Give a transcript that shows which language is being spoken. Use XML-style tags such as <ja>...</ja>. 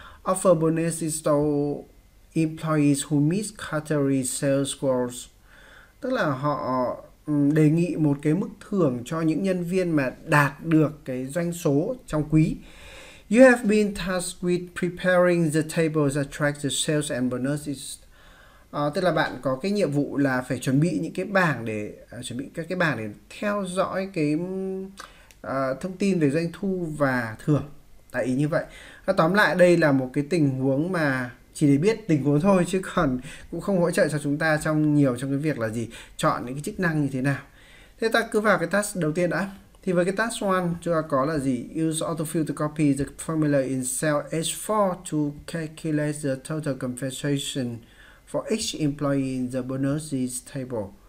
<en>Offer bonuses to employees who meet category sales goals.</en> <vi>Tức là họ đề nghị một cái mức thưởng cho những nhân viên mà đạt được cái doanh số trong quý.</vi> <en>You have been tasked with preparing the tables to attract the sales and bonuses.</en> <vi>Tức là bạn có cái nhiệm vụ là phải chuẩn bị những cái bảng để chuẩn bị các cái bảng để theo dõi cái thông tin về doanh thu và thưởng. Tại ý như vậy. Tóm lại đây là một cái tình huống mà chỉ để biết tình huống thôi chứ còn cũng không hỗ trợ cho chúng ta trong nhiều trong cái việc là gì, chọn những cái chức năng như thế nào. Thế ta cứ vào cái task đầu tiên đã. Thì với cái task 1 chúng ta có là gì?</vi> <en>Use autofill to copy the formula in cell H4 to calculate the total compensation for each employee in the bonuses table.</en>